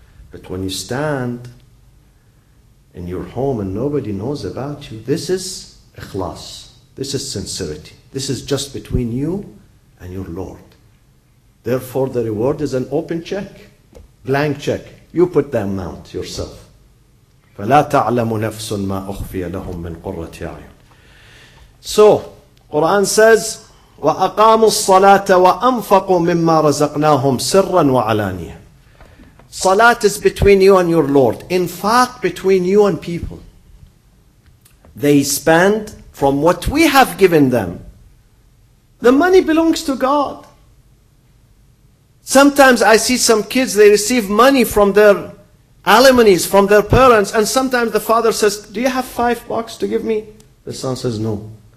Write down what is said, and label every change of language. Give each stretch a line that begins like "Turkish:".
English: But when you stand in your home and nobody knows about you, this is ikhlas. This is sincerity. This is just between you and your Lord. Therefore, the reward is an open check, blank check. You put the amount yourself.
Arabic: فَلَا تَعْلَمُ نَفْسٌ مَا أُخْفِيَ لَهُمْ مِنْ قُرَّةِ عَيْنٍ.
English: So, Quran says,
Arabic: وَأَقَامُوا الصَّلَاةَ وَأَنفَقُوا مِمَّا رَزَقْنَاهُمْ سِرًّا وَعَلَانِيَةً.
English: Salat is between you and your Lord. Infaq between you and people. They spend from what we have given them. The money belongs to God. Sometimes I see some kids, they receive money from their alimonies, from their parents, and sometimes the father says, do you have $5 to give me? The son says, no.